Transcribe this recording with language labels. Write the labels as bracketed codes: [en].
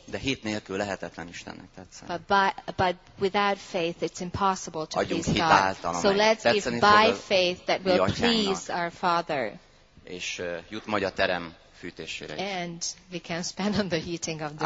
[hu] De hit nélkül lehetetlen Istennek tetszeni. [en] But without faith it's impossible to [hu] adjunk [en] please [hu] hit [en] God. [hu] Által, [en] so let's give by faith that will please our Father. [hu] És jut majd a terem fűtésére is. [en] And we can spend on the heating of the